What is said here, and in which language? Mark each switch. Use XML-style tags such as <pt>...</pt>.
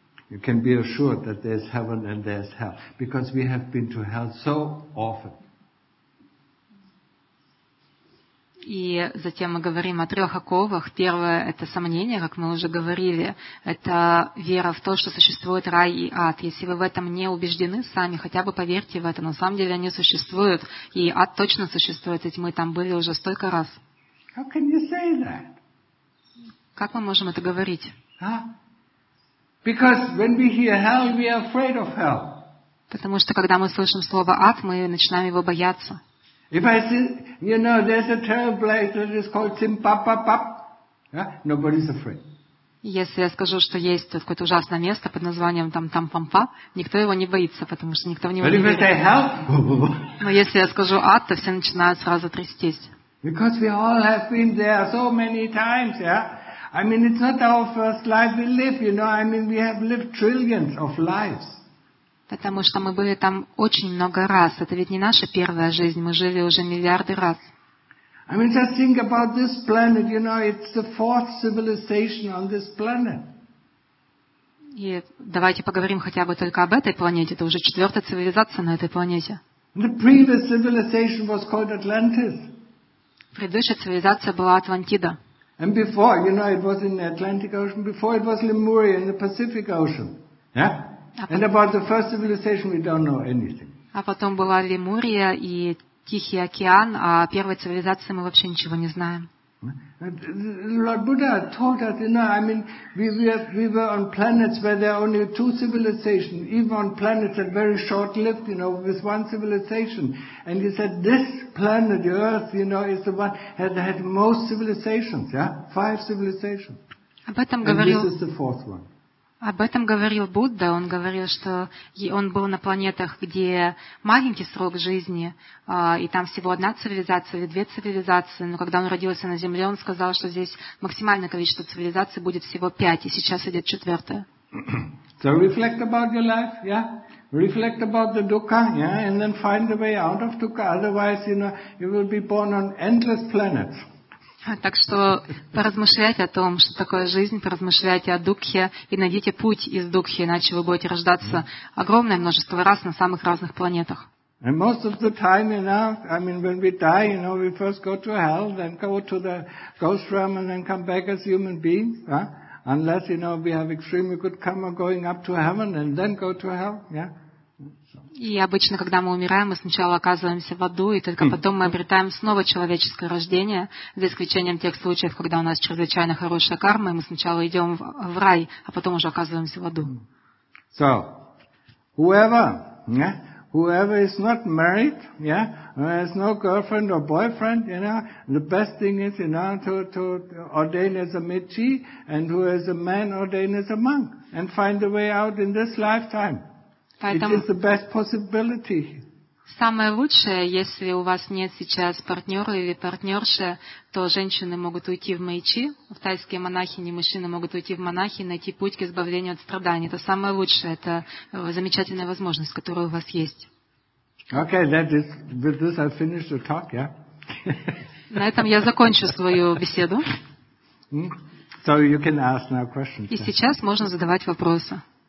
<en>You can be assured that there's heaven and there's hell. Because we have been to hell so often.</en> <ru>И затем мы говорим о трех оковах. Первое – это сомнение, как мы уже говорили. Это вера в то, что существует рай и ад. Если вы в этом не убеждены сами, хотя бы поверьте в это. На самом деле они существуют. И ад точно существует, ведь мы там были уже столько раз.</ru> <en>How can you say that?</en> <ru>Как мы можем это говорить?</ru> <en>Because when we hear hell, we are afraid of hell.</en> <ru>Потому что когда мы слышим слово ад, мы начинаем его бояться.</ru> <en>If I see, you know, there's a terrible place that is called Zimbabwe, yeah? Nobody's afraid.</en> <ru>Если я скажу, что есть какое-то ужасное место под названием там Пампа, никто его не боится, потому что никто в него не верит. Но если я скажу ад, то все начинают сразу трястись.</ru> <en>Because we all have been there so many times, yeah? I mean, it's not our first life we live, you know? I mean, we have lived trillions of lives.</en> <ru>Потому что мы были там очень много раз. Это ведь не наша первая жизнь. Мы жили уже миллиарды раз.</ru> <en>I mean, just think about this planet. You know, it's the fourth civilization on this planet.</en> <ru>И давайте поговорим хотя бы только об этой планете. Это уже четвертая цивилизация на этой планете.</ru> <en>The previous civilization was called Atlantis.</en> <ru>Предыдущая цивилизация была Атлантида.</ru> <en>And before, you know, it was in the Atlantic Ocean. Before it was Lemuria in the Pacific Ocean. Yeah? And about the first civilization, we don't know anything.</en> <ru>А потом была Лемурия и Тихий океан, а о первой цивилизации мы вообще ничего не знаем.</ru> <en>Lord Buddha told us, you know, I mean, we were on planets where there are only two civilizations, even on planets that are very short-lived, you know, with one civilization. And he said, this planet, the Earth, you know, is the one that had most civilizations, yeah? Five civilizations.</en> <ru>Об этом говорил.</ru> <en>And this is the fourth one.</en> <ru>Об этом говорил Будда. Он говорил, что он был на планетах, где маленький срок жизни, и там всего одна цивилизация или две цивилизации. Но когда он родился на Земле, он сказал, что здесь максимальное количество цивилизаций будет всего пять, и сейчас идет четвертая.</ru> <en>So reflect about your life, yeah? Reflect about the dukkha, yeah? And then find a way out of dukkha. Otherwise, you know, you will be born on endless planets.</en> <ru>Так что поразмышляйте о том, что такое жизнь, поразмышляйте о Дукхе и найдите путь из Дукхи, иначе вы будете рождаться огромное множество раз на самых разных планетах.</ru> <en>And most of the time, you know, I mean, when we die, you know, we first go to hell, then go to the ghost realm and then come back as human beings, huh? Unless, you know, we have extremely good karma going up to heaven and then go to hell, yeah?</en> <ru>И обычно, когда мы умираем, мы сначала оказываемся в аду, и только потом мы обретаем снова человеческое рождение, за исключением тех случаев, когда у нас чрезвычайно хорошая карма, и мы сначала идем в рай, а потом уже оказываемся в аду.</ru> <en>So, whoever, yeah, whoever is not married, yeah, has no girlfriend or boyfriend, you know, the best thing is, you know, to ordain as a Meche, and who is a man, ordain as a monk, and find a way out in this lifetime.</en> <ru>Поэтому</ru> <en>it is the best possibility.</en> <ru>Самое лучшее, если у вас нет сейчас партнера или партнерши, то женщины могут уйти в мэйчи, в тайские монахини, мужчины могут уйти в монахи и найти путь к избавлению от страданий. Это самое лучшее, это замечательная возможность, которая у вас есть.</ru> <en>Okay, that is, with this I finish the talk, yeah?</en> <ru>На этом я закончу свою беседу.</ru> <en>So you can ask now questions.</en> <ru>И сейчас можно задавать вопросы.</ru>